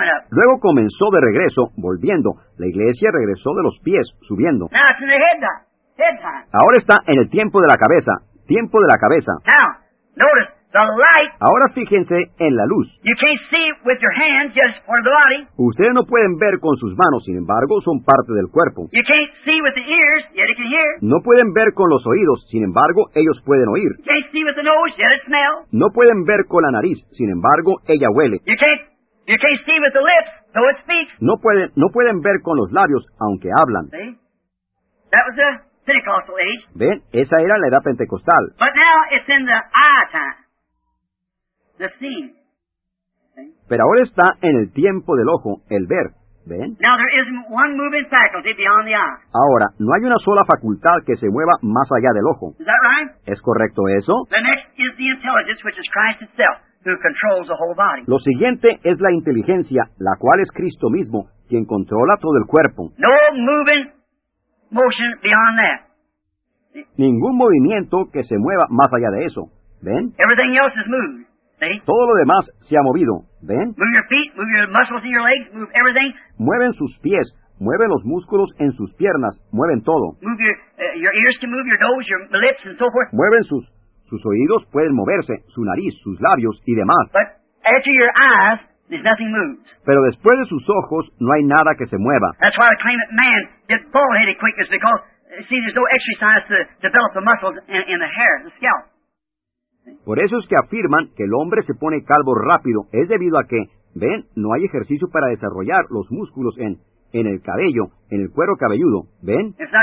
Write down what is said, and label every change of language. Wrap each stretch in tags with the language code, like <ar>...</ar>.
<es>Luego comenzó de regreso, volviendo. La iglesia regresó de los pies, subiendo.</es> <en>Now, it's in the head time. Head time.</en> <es>Ahora está en el tiempo de la cabeza. Tiempo de la cabeza.</es> <en>Now, notice the light.</en> <es>Ahora fíjense en la luz.</es> <en>You can't see with your hands, just part of the body.</en> <es>Ustedes no pueden ver con sus manos, sin embargo, son parte del cuerpo.</es> <en>You can't see with the ears, yet it can hear.</en> <es>No pueden ver con los oídos, sin embargo, ellos pueden oír.</es> <en>You can't see with the nose, yet it smells.</en> <es>No pueden ver con la nariz, sin embargo, ella huele.</es> <en>You can't see with the lips, though it speaks.</en> <es>No pueden ver con los labios, aunque hablan.</es> <en>See? That was the Pentecostal age.</en> <es>¿Ven? Esa era la edad pentecostal.</es> <en>But now it's in the eye time. The scene. Okay.</en> <es>Pero ahora está en el tiempo del ojo, el ver. ¿Ven?</es> <en>Now, there isn't one moving faculty beyond the eye.</en> <es>Ahora, no hay una sola facultad que se mueva más allá del ojo.</es> <en>Is that right?</en> <es>¿Es correcto eso?</es> <en>The next is the intelligence, which is Christ itself, who controls the whole body.</en> <es>Lo siguiente es la inteligencia, la cual es Cristo mismo, quien controla todo el cuerpo.</es> <en>No moving motion beyond that.</en> <es>Ningún movimiento que se mueva más allá de eso. ¿Ven?</es> <en>Everything else is moved.</en> <es>Todo lo demás se ha movido. ¿Ven?</es> <en>Move your feet, move your muscles in your legs, move everything.</en> <es>Mueven sus pies, mueven los músculos en sus piernas, mueven todo.</es> <en>Move your ears can move, your nose, your lips, and so forth.</en> <es>Mueven sus oídos, pueden moverse, su nariz, sus labios y demás.</es> <en>But after your eyes, there's nothing moves.</en> <es>Pero después de sus ojos, no hay nada que se mueva.</es> <en>That's why I claim that man gets bald-headed quick, is because, see, there's no exercise to develop the muscles in the hair, the scalp.</en> <es>Por eso es que afirman que el hombre se pone calvo rápido. Es debido a que, ¿ven? No hay ejercicio para desarrollar los músculos en el cabello, en el cuero cabelludo. ¿Ven?</es>